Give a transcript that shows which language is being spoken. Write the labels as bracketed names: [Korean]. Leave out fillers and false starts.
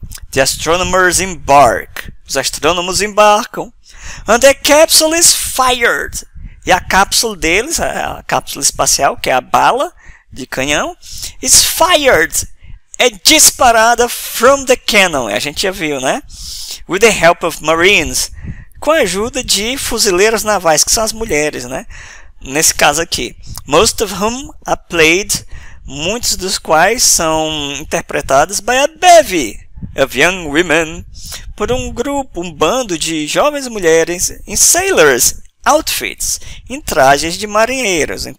[English] The astronomers embark. [Portuguese] Os astrônomos embarcam. [English] And the capsule is fired. [Portuguese] E a cápsula deles, a cápsula espacial, que é a bala de canhão, [English] is fired. [Portuguese] É disparada [English] from the cannon. [Portuguese] A gente já viu, né? [English] With the help of marines. [Portuguese] Com a ajuda de fuzileiras navais, que são as mulheres, né? Nesse caso aqui, [English] most of whom are played, [Portuguese] muitos dos quais são interpretados [English] by a bevy of young women, [Portuguese] por um grupo, um bando de jovens mulheres em [English] sailors' outfits, [Portuguese] em trajes de marinheiros.